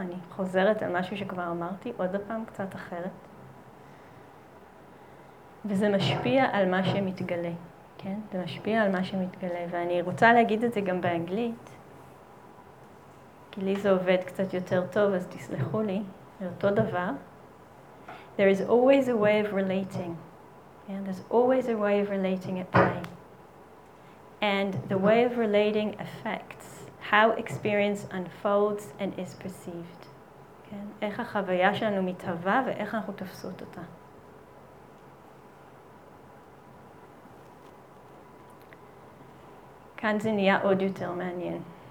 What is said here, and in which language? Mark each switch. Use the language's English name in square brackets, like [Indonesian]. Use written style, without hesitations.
[Hebrew] אני חוזרת על משהו שכבר אמרתי, עוד פעם קצת אחרת. וזה משפיע על מה שמתגלה, כן? זה משפיע על מה שמתגלה, ואני רוצה להגיד את זה גם באנגלית, כי לי זה עובד קצת יותר טוב, אז תסלחו לי, זה אותו דבר. [English] There is always a way of relating. Yeah? There's always a way of relating at play. And the way of relating affects how experience unfolds and is perceived. [Hebrew] כן? איך החוויה שלנו מתהווה ואיך אנחנו תופסות אותה. כאן זה נהיה עוד יותר מעניין.